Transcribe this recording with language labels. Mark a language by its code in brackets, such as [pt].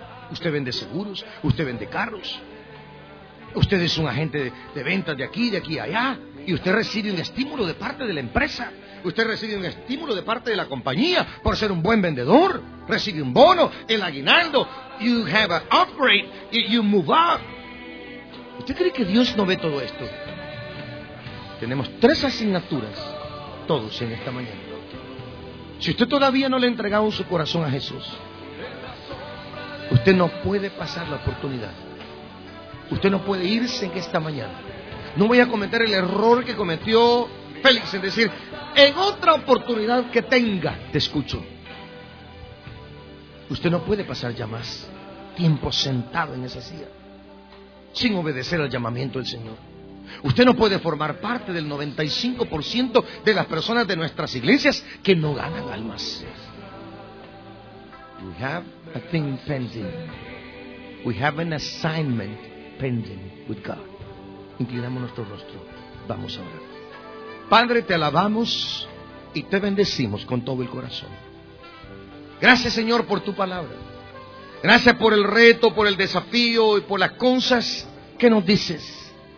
[es] Usted vende seguros, usted vende carros, usted es un agente de ventas de aquí a allá, y usted recibe un estímulo de parte de la empresa, usted recibe un estímulo de parte de la compañía por ser un buen vendedor, recibe un bono, el aguinaldo. [en] You have an upgrade, you move up. [es] ¿Usted cree que Dios no ve todo esto? Tenemos tres asignaturas todos en esta mañana. Si usted todavía no le ha entregado su corazón a Jesús, usted no puede pasar la oportunidad. Usted no puede irse en esta mañana. No voy a cometer el error que cometió Félix en decir, en otra oportunidad que tenga, te escucho. Usted no puede pasar ya más tiempo sentado en esa silla sin obedecer al llamamiento del Señor. Usted no puede formar parte del 95% de las personas de nuestras iglesias que no ganan almas. [en] We have a thing pending. We have an assignment pending with God. [es] Inclinamos nuestro rostro. Vamos a orar. Padre, te alabamos y te bendecimos con todo el corazón. Gracias, Señor, por tu palabra. Gracias por el reto, por el desafío y por las cosas que nos dices.